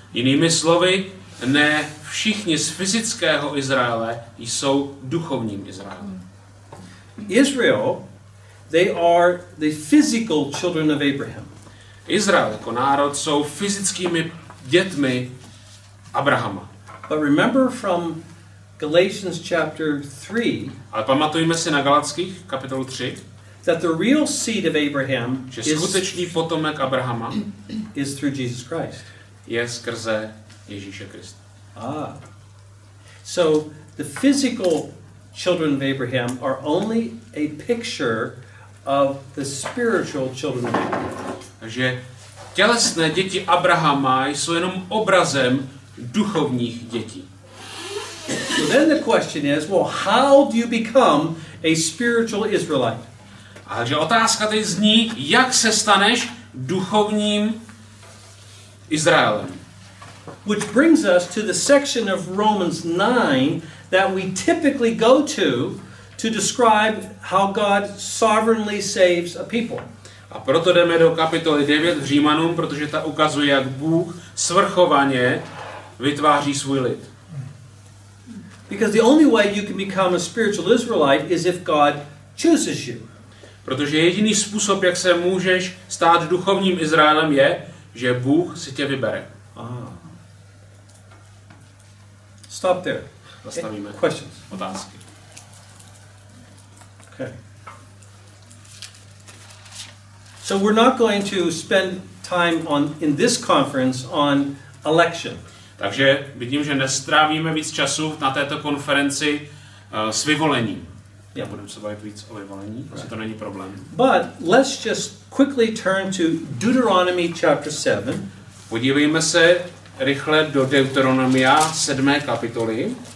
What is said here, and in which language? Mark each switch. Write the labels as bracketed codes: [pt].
[cs] Jinými slovy, ne všichni z fyzického Izraele jsou duchovním Izraelem. [en] Israel, they are the physical children of Abraham. [cs] Izrael jako národ jsou fyzickými dětmi Abrahama. [en] But remember from Galatians chapter 3. [cs] Ale pamatujeme si na Galatských kapitolu 3. [en] That the real seed of Abraham [cs] is skutečný potomek Abrahama [en] is through Jesus Christ. [cs] Je skrze Ježíše Krista. [en] So the physical children of Abraham are only a picture of the spiritual children of Abraham. [cs] Takže Tělesné děti Abrahama jsou jenom obrazem duchovních dětí. [en] So then the question is, well, how do you become a spiritual Israelite? [cs] A takže otázka teď zní, jak se staneš duchovním Izraelem. [en] Which brings us to the section of Romans 9 that we typically go to describe how God sovereignly saves a people. [cs] A proto jdeme do kapitoly 9 v Římanům, protože ta ukazuje, jak Bůh svrchovaně vytváří svůj lid. [en] Because the only way you can become a spiritual Israelite is if God chooses you. [cs] Protože jediný způsob, jak se můžeš stát duchovním Izraelem, je, že Bůh si tě vybere. [en] Stop there. [cs] Zastavíme. [en] Questions. [cs] Otázky. [en] So we're not going to spend time on in this conference on election. [cs] Takže vidím, že nestrávíme víc času na této konferenci s vyvolením. Já budem se bavit víc o vyvolení, to right. To není problém. [en] But let's just quickly turn to Deuteronomy chapter 7. [cs] Podívejme se rychle do Deuteronomia 7. kapitoly.